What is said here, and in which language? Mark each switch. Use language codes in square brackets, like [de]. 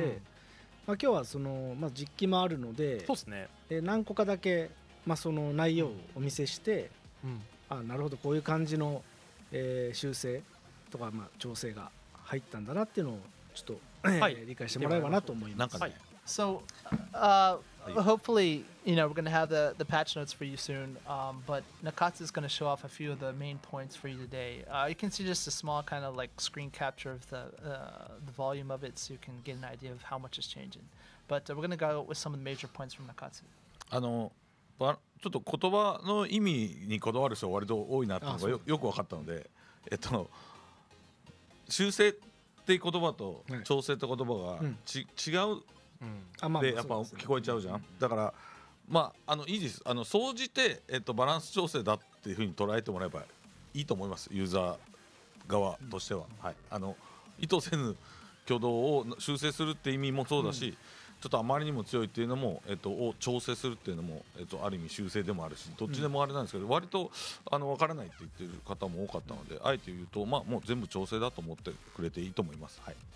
[ja] はい、うん、まあ、今日はその、まあ、実機もあるの で、そうっす、ね、で何個かだけ、まあ、その内容をお見せして、うんうん、あ、なるほどこういう感じの、修正とか、まあ、調整が入ったんだなっていうのをちょっと、はい、理解してもらえればなと思います。なんか、ね、はい、 [en] So、hopefully you know we're going to have the patch notes for you soon、but Nakatsu is going to show off a few of the main points for you today、you can see just a small kind of like screen capture of the volume of it so you can get an idea of how much is changing but、we're going to go with some of the major points from Nakatsu [ja] あのちょっと言葉の意味にこだわる人は割と多いなってのが よく分かったので修正って言葉と調整って言葉が、はい、違う、うん、でやっぱ聞こえちゃうじゃん。だからまあ、 あのいいです。あの総じて、バランス調整だっていう風に捉えてもらえばいいと思います、ユーザー側としては、うん、はい、あの意図せぬ挙動を修正するって意味もそうだし、うん、ちょっとあまりにも強いっていうのも、を調整するっていうのも、ある意味修正でもあるし、どっちでもあれなんですけど、うん、割とあの分からないって言ってる方も多かったので、うん、あえて言うと、まあ、もう全部調整だと思ってくれていいと思います、はい。